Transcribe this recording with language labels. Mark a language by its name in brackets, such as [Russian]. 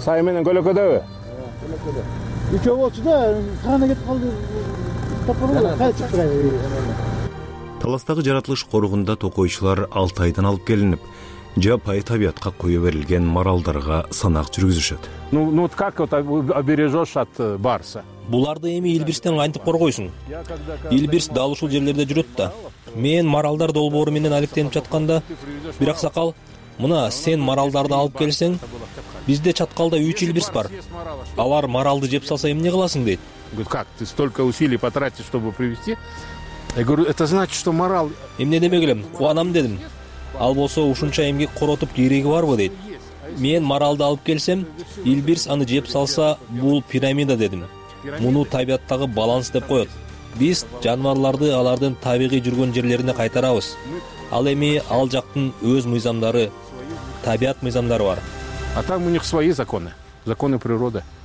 [Kyrgyz] Сай менен көлөкөдөбү? Көлөкөдө. Үчөө болчу да, кана кетип калды. Тапырбы? Кай чыктырайбы? Таластагы жаратылыш коругунда токойчулар Алтайдан алып келинип, жапайы табиятка коюу берилген маралдарга санак жүргүзүшөт. [Russian] Ну, вот как вот обережёшь от барса? [Kyrgyz] Буларды эми илбирстен кантип коргойсуң? Илбирс дал ушул жерлерде жүрөт да. Мен маралдар долбоору менен алектенип жатканда, бир аксакал: "Мына сен маралдарды алып келсең, бизде чаткалда 3 илбирс бар. Алар маралды жеп салса эмне кыласың?" дейт. [Russian] Как ты столько усилий потратишь, чтобы привести? Я говорю, это значит, что морал... [Kyrgyz] Эмне демек элем, куанам дедим. Ал болсо ушунча эмгек коротуп кереги барбы дейт. Мен маралды алып келсем, илбирс аны жеп салса, бул пирамида дедим. Муну табияттагы баланс деп коет. Биз жаныбарларды алардын табигый жүргөн жерлерине кайтарабыз. Ал эми ал жактын өз мыйзамдары, табият мыйзамдары бар. [Russian] А там у них свои законы, законы природы.